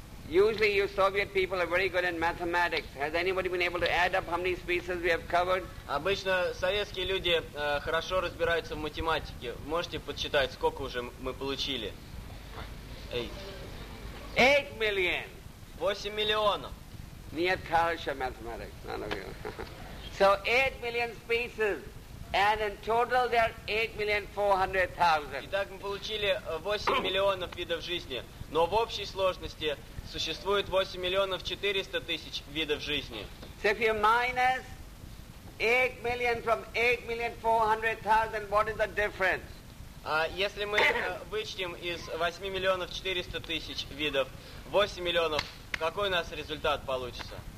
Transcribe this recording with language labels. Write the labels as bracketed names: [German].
[English] Usually you Soviet people are very good in mathematics. Has anybody been able to add up how many species we have covered? [Russian] Обычно советские люди хорошо разбираются в математике. Можете подсчитать, сколько уже мы получили? [English] 8 million. [Russian] 8 миллионов. [English] Near Kalisha mathematics, none of you. So 8 million species. And in total there are 8,400,000. [Russian] Итак, мы получили 8 миллионов видов жизни. Но в общей сложности существует 8,400,000 видов жизни. [English] So if you minus 8 million from 8,400,000, what is the difference? [Russian] Если мы вычтем из 8,400,000 видов 8 миллионов, какой у нас результат получится?